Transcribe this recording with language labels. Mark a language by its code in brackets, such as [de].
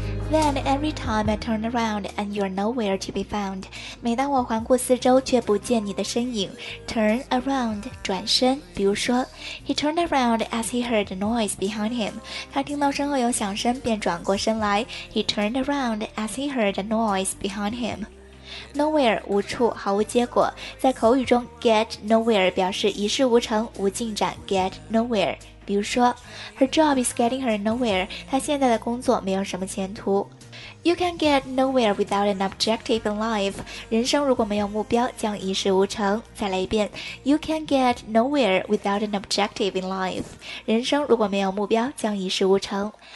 [en] Then every time I turn around and you're nowhere to be found. [zh] 每当我环顾四周却不见你的身影。 [en] Turn around, [zh] 转身。比如说 [en] He turned around as he heard a noise behind him. [zh] 他听到身后有响声便转过身来。 [en] He turned around as he heard a noise behind him. Nowhere, [zh] 无处，毫无结果。在口语中 get nowhere 表示一事无成，无进展 get nowhere。比如说 [en] Her job is getting her nowhere, [zh] 她现在的工作没有什么前途。 [en] You can get nowhere without an objective in life. [zh] 人生如果没有目标将一事无成。再来一遍 [en] You can get nowhere without an objective in life. [zh] 人生如果没有目标将一事无成。